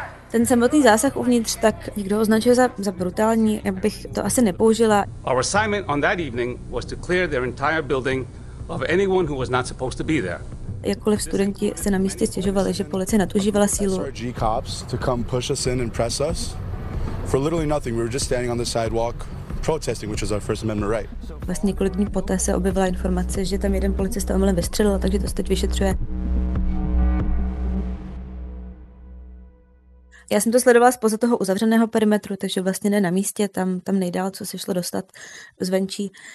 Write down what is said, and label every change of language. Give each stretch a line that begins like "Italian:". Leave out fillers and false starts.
Czech: Ten samotný zásah uvnitř, tak někdo označil za brutální, já bych to asi nepoužila.
English: Our assignment on that evening was to clear their entire building of anyone who was not supposed to be there.
Czech: Jakkoliv studenti se na místě stěžovali, že policie nadužívala sílu.
English: SRG cops to come push us in and press us. For literally nothing, we were just standing on the sidewalk protesting, which is our First Amendment right.
Czech: Vlastně několik dní poté se objevila informace, že tam jeden policista omylem vystřelil, takže to se teď vyšetřuje. Já jsem to sledovala spoza toho uzavřeného perimetru, takže vlastně ne na místě, tam nejdál, co se šlo dostat zvenčí.